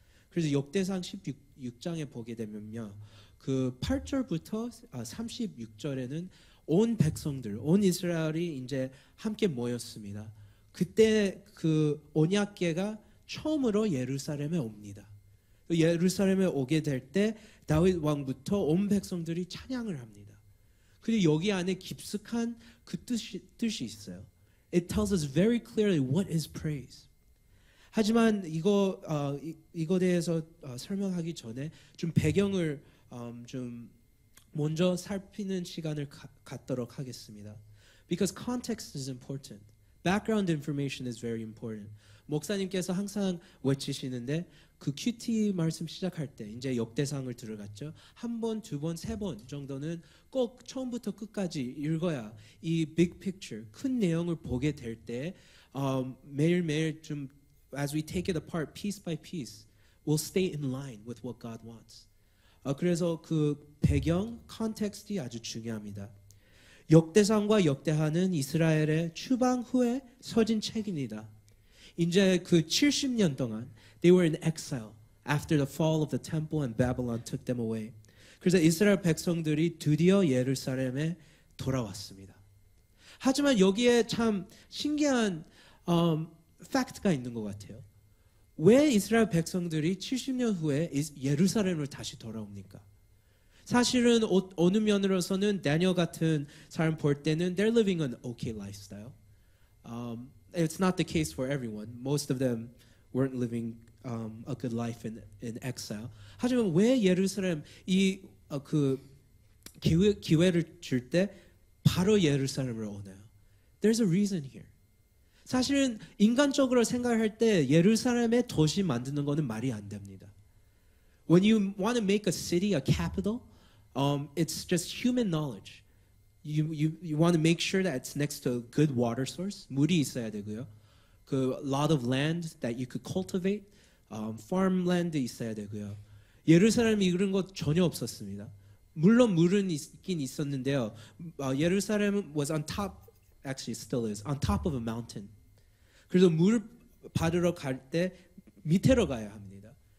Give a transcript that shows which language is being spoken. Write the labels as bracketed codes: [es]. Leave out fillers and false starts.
[ko] 그래서 역대상 16장에 보게 되면요. 그 8절부터 36절에는 온 백성들, 온 이스라엘이 이제 함께 모였습니다. 그때 그 언약궤가 처음으로 예루살렘에 옵니다. 예루살렘에 오게 될 때 다윗 왕부터 온 백성들이 찬양을 합니다. 그리고 여기 안에 깊숙한 그 뜻이 있어요. [en] It tells us very clearly what is praise. [ko] 하지만 이거 대해서 설명하기 전에 좀 배경을 좀 먼저 살피는 시간을 갖도록 하겠습니다. [en] Because context is important. Background information is very important. [ko] 목사님께서 항상 외치시는데 그 QT 말씀 시작할 때 이제 역대상을 들어갔죠. 한 번, 두 번, 세 번 정도는 꼭 처음부터 끝까지 읽어야 이 big picture, 큰 내용을 보게 될 때 매일매일 좀 [en] as we take it apart piece by piece we'll stay in line with what God wants. [ko] 그래서 그 배경, 컨텍스트가 아주 중요합니다. 역대상과 역대하는 이스라엘의 추방 후에 서진 책입니다. 이제 그 70년 동안 [en] they were in exile after the fall of the temple and Babylon took them away. [ko] 그래서 이스라엘 백성들이 드디어 예루살렘에 돌아왔습니다. 하지만 여기에 참 신기한 팩트가 있는 것 같아요. 왜 이스라엘 백성들이 70년 후에 예루살렘으로 다시 돌아옵니까? 사실은 어느 면으로서는 다니엘 같은 사람 볼 때는 [en] they're living an okay lifestyle. It's not the case for everyone. Most of them weren't living a good life in exile. [ko] 하지만 왜 예루살렘 이 그 기회를 줄 때 바로 예루살렘으로 오나요? [en] There's a reason here. [ko] 사실은 인간적으로 생각할 때 예루살렘에 도시 만드는 거는 말이 안 됩니다. [en] When you want to make a city a capital, it's just human knowledge. You want to make sure that it's next to a good water source. [ko] 물이 있어야 되고요. [en] 그 lot of land that you could cultivate. [ko] Farmland 있어야 되고요. 예루살렘이 그런 거 전혀 없었습니다. 물론 물은 있긴 있었는데요. [en] 예루살렘 was on top, actually still is, on top of a mountain. [ko] 그래서 물 받으러 갈 때 밑으로 가야 합니다.